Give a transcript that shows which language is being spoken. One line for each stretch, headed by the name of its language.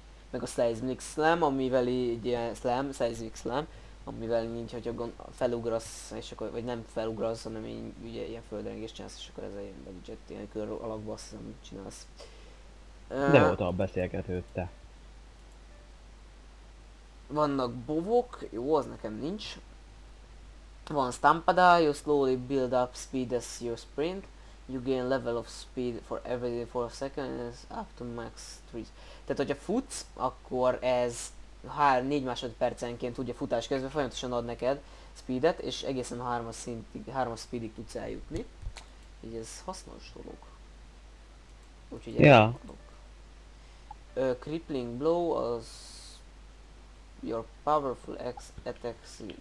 Hungarian: Meg a seismic slam, amivel így ilyen slam, seismic slam, amivel így, hogyha felugrasz, és akkor, vagy nem felugrasz, hanem így, ugye, ilyen földrengés csinálsz, és akkor ez egy ilyen budget, ilyen kör alakba azt hiszem, amit csinálsz. De jó, tovább beszélgetődte. Vannak bovok, jó, az nekem nincs. Van stampada,
English: you slowly build up speed as you sprint. You gain level of speed for every 4 seconds up to max 3.
Hungarian: Tehát, hogyha futsz, akkor ez 4 másodpercenként, ugye futás közben folyamatosan ad neked speedet, és egészen 3 szintig, 3 speedig tudsz eljutni. Így ez hasznos dolog. Úgyhogy ezt Ja. akarok.
English: Crippling blow az... Your powerful ex attacks...